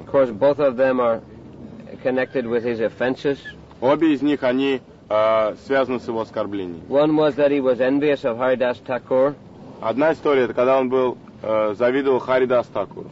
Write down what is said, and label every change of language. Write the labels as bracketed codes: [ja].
[en] Of course, both of them are connected with his offenses. [ru] Обе из них они связаны с его оскорблениями. [en] One was that he was envious of Haridas Thakur. [ru] Одна история это когда он был завидовал Харидас Такуру.